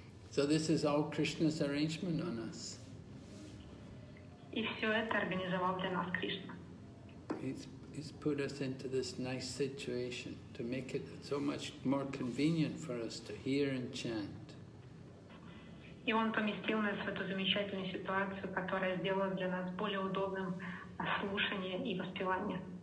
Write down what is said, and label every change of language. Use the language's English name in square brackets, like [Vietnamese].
[English] So this is all Krishna's arrangement on us. [Russian] И все это организовал для нас Кришна. [English] He's put us into this nice situation to make it so much more convenient for us to hear and chant. [Russian] И Он поместил нас в эту замечательную ситуацию, которая сделала для нас более удобным слушание и воспевание.